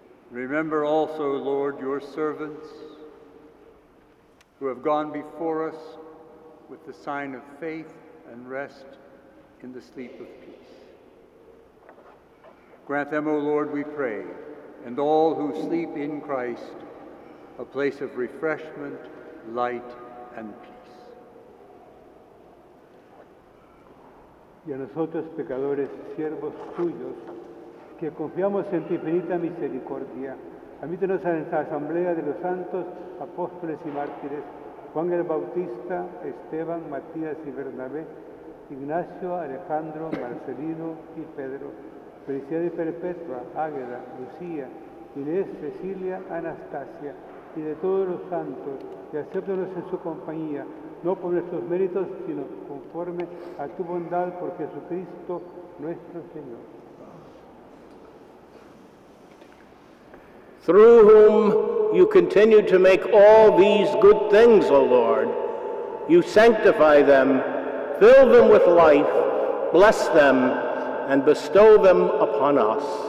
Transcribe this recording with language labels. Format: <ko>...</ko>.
<en>Remember also, Lord, your servants who have gone before us with the sign of faith and rest in the sleep of peace. Grant them, O Lord, we pray, and all who sleep in Christ, a place of refreshment, light, and peace.</en> <es>Y a nosotros, pecadores, siervos tuyos, que confiamos en tu infinita misericordia, admítenos a esta asamblea de los santos, apóstoles y mártires, Juan el Bautista, Esteban, Matías y Bernabé, Ignacio, Alejandro, Marcelino y Pedro, Felicidad y Perpetua, Águeda, Lucía, Inés, Cecilia, Anastasia, y de todos los santos, y acéptenos en su compañía, no por nuestros méritos, sino conforme a tu bondad por Jesucristo nuestro Señor.</es> <en>Through whom you continue to make all these good things, O Lord, you sanctify them, fill them with life, bless them, and bestow them upon us.</en>